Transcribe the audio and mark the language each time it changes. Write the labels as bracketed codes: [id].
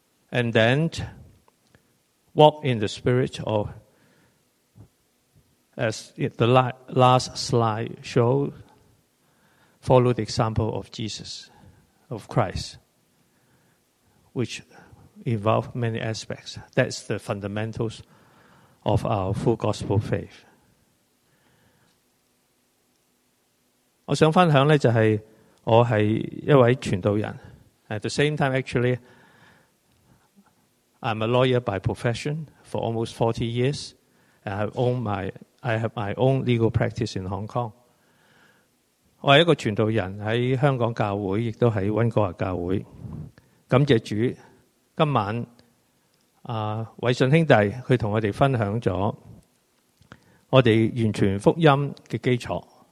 [en] And then walk in the Spirit, or as the last slide shows, follow the example of Jesus, of Christ, which... involve many aspects. That's the fundamentals of our full gospel faith. [zh] 我想分享呢就是我是一位传道人。 [en] At the same time, actually, I'm a lawyer by profession for almost 40 years. I have my own legal practice in Hong Kong. [zh] 我是一个传道人在香港教会亦都在温哥华教会。感谢主今晚伟信兄弟他跟我们分享了我们完全福音的基础。